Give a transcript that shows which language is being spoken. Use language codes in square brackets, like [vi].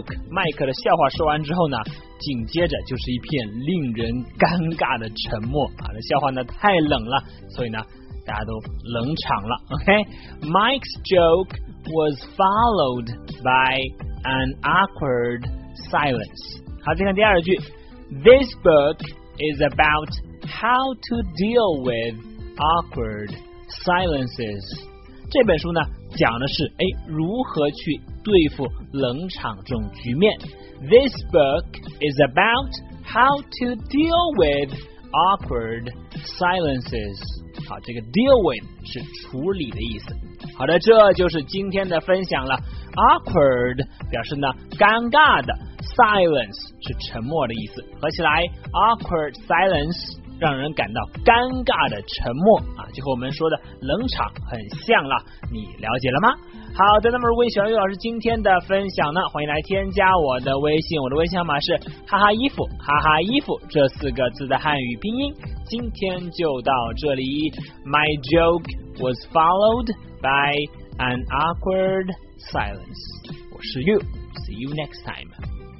[zh] 麦克的笑话说完之后呢，紧接着就是一片令人尴尬的沉默啊，这笑话呢太冷了，所以呢大家都冷场了。 [en] OK， Mike's joke was followed by an awkward silence。 [zh] 好，再看第二句， [en] This book is about how to deal with awkward silences。 [zh] 这本书呢讲的是如何去对付冷场这种局面。 [en] This book is about how to deal with awkward silences。 [zh] 好，这个 deal with 是处理的意思。好的，这就是今天的分享了。 awkward 表示呢尴尬的， silence 是沉默的意思，合起来 awkward silence 让人感到尴尬的沉默啊，就和我们说的冷场很像了，你了解了吗？好的，那么如果你喜欢岳老师今天的分享呢，欢迎来添加我的微信，我的微信号码是哈哈衣服，哈哈衣服这四个字的汉语拼音。今天就到这里， [en] My joke was followed by an awkward silence。 我是 You， See you next time。